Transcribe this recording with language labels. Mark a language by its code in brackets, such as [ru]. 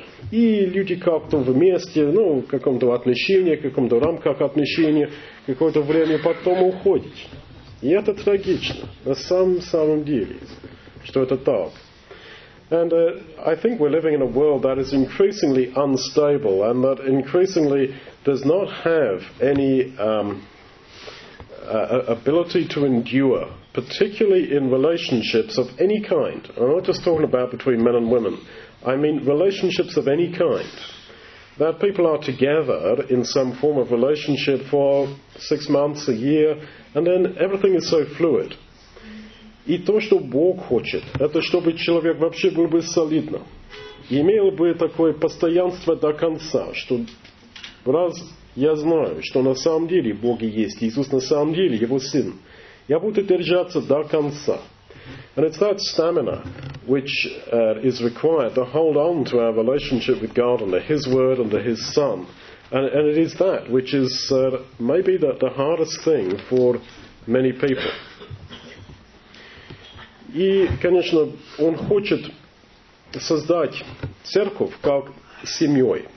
[ru] И люди как-то вместе, ну, в каком-то отношении, в каком-то рамках отношения, какое-то время потом уходят. И это трагично, на самом деле, что это так. [en] And I think we're living in a world that is increasingly unstable and that increasingly does not have any ability to endure, particularly in relationships of any kind. I'm not just talking about between men and women. I mean relationships of any kind. That people are together in some form of relationship for 6 months, a year, and then everything is so fluid. [ru] И то, что Бог хочет, это чтобы человек вообще был бы солидно. Имел бы такое постоянство до конца, что раз я знаю, что на самом деле Бог есть, Иисус на самом деле, Его Сын. Я буду держаться до конца. [en] And it's that stamina which is required to hold on to our relationship with God and to His Word and to His Son. And it is that which is maybe the hardest thing for many people. [ru] И, конечно, Он хочет создать церковь как семьей.